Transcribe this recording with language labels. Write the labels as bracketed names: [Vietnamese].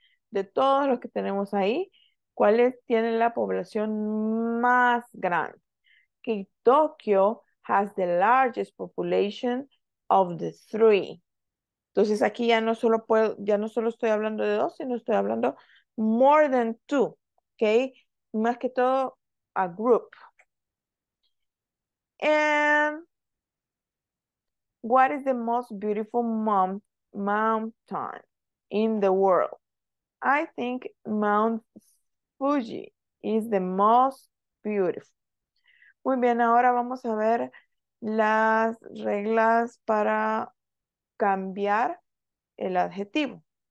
[Spanish] De todos los que tenemos ahí, ¿cuáles tienen la población más grande? [English] Que okay, Tokio has the largest population of the three. [Spanish] Entonces aquí ya no solo puedo, ya no solo estoy hablando de dos, sino estoy hablando [English] more than two, [Spanish] okay? Más que todo [English] a group. And what is the most beautiful mountain in the world? I think Mount Fuji is the most beautiful. [Spanish] Muy bien, ahora vamos a ver las reglas para cambiar el adjetivo.